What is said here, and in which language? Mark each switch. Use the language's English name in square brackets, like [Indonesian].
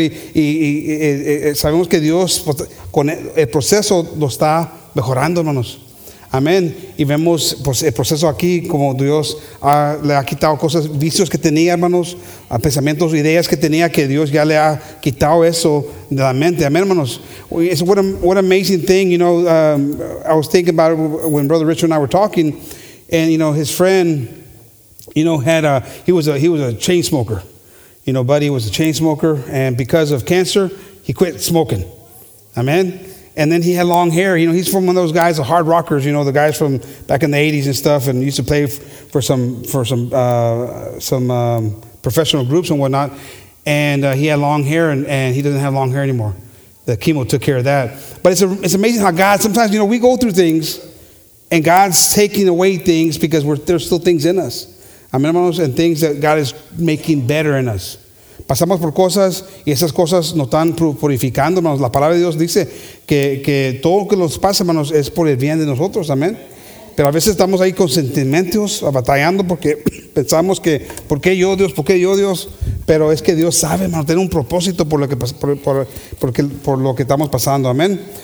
[Spanish] Y sabemos que Dios, pues, con el proceso, lo está mejorando, hermanos. Amén. Y vemos, pues, el proceso aquí, como Dios le ha quitado cosas, vicios que tenía, hermanos, pensamientos, ideas que tenía, que Dios ya le ha quitado eso de la mente. Amén, hermanos. [English] It's what an amazing thing, I was thinking about it when Brother Richard and I were talking, and, his friend, he was a chain smoker. Buddy was a chain smoker, and because of cancer, he quit smoking. Amen. And then he had long hair. He's from one of those guys, the hard rockers, the guys from back in the 80s and stuff, and used to play for some professional groups and whatnot. And he had long hair, and he doesn't have long hair anymore. The chemo took care of that. But it's amazing how God sometimes, we go through things, and God's taking away things because there's still things in us. [Spanish] Amén, hermanos, [English] and things that God is making better in us. [Spanish] Pasamos por cosas y esas cosas nos están purificando, hermanos. La palabra de Dios dice que todo lo que nos pasa, hermanos, es por el bien de nosotros, amén. Pero a veces estamos ahí con sentimientos, batallando porque pensamos que, ¿por qué yo, Dios? ¿Por qué yo, Dios? Pero es que Dios sabe, hermanos, tiene un propósito por lo que estamos pasando, amén.